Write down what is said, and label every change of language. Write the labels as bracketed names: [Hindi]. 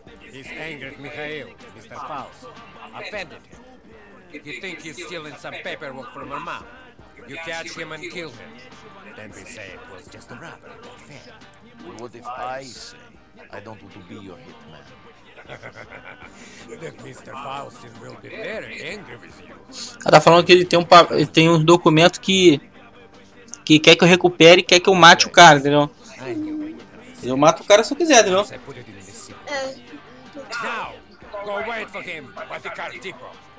[English] He's angered Mikhail, Mr. Faust. Offended him. You think he's stealing some paperwork from her mom? You catch him and kill him. Then they say it was just a robbery, that fair. What if I say I don't want to be your hitman? That Mr. Faustin will be very angry with you. [Portuguese] Ela tá falando que ele tem um documento que quer que eu recupere, quer que eu mate o cara, entendeu? Eu mato o cara se eu quiser, entendeu? [English] Now, go wait for him by the car depot.